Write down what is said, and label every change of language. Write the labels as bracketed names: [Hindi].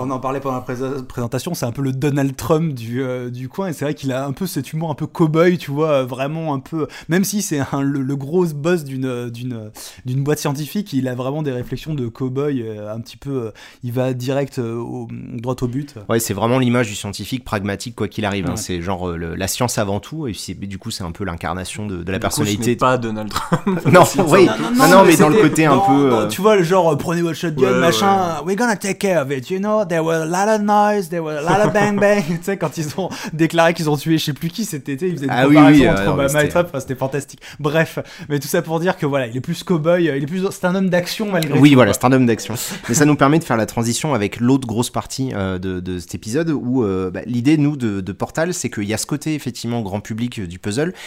[French] On en parlait pendant la présentation, c'est un peu le Donald Trump du coin, et c'est vrai qu'il a un peu cet humour un peu cowboy, tu vois, vraiment un peu, même si c'est le gros boss d'une boîte scientifique, il a vraiment des réflexions de cowboy, un petit peu, il va direct droit au but. Ouais, c'est vraiment l'image du scientifique pragmatique quoi qu'il arrive, ouais. C'est genre la science avant tout, et du coup c'est un peu l'incarnation de la du personnalité. Coup, je n'ai pas Donald Trump. Non, mais dans le côté un peu, tu vois, genre prenez votre shotgun, [English] we're gonna take care of it, you know, there were a lot of noise, there were a lot of bang bang. [French] Tu sais, quand ils ont déclaré qu'ils ont tué je sais plus qui cet été, ils faisaient des comparaisons entre Obama et Trump, enfin, c'était fantastique. Bref, mais tout ça pour dire que voilà, il est plus cowboy, c'est un homme d'action malgré tout. Oui, voilà, c'est un homme d'action. Mais ça nous permet de faire la transition avec l'autre grosse partie de cet épisode où l'idée, nous, de Portal, c'est qu'il y a ce côté effectivement grand public du puzzle.